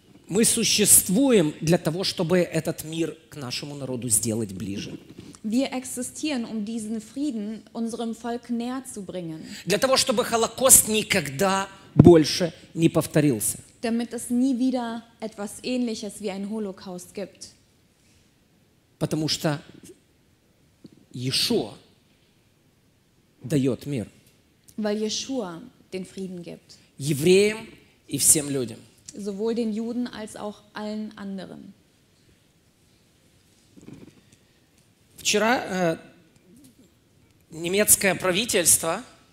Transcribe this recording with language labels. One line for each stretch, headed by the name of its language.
Russian: Мы существуем для того, чтобы этот мир к нашему народу сделать ближе.
German: Wir existieren, um diesen Frieden unserem Volk näher zu bringen.
Russian: Для того, чтобы Холокост никогда больше не повторился.
German: Damit es nie wieder etwas Ähnliches wie ein Holocaust gibt.
Russian: Потому что Иешуа дает мир.
German: Weil Иешуа den Frieden gibt.
Russian: Евреям и всем людям.
German: Sowohl den Juden als auch allen anderen.
Russian: Вчера немецкое правительство,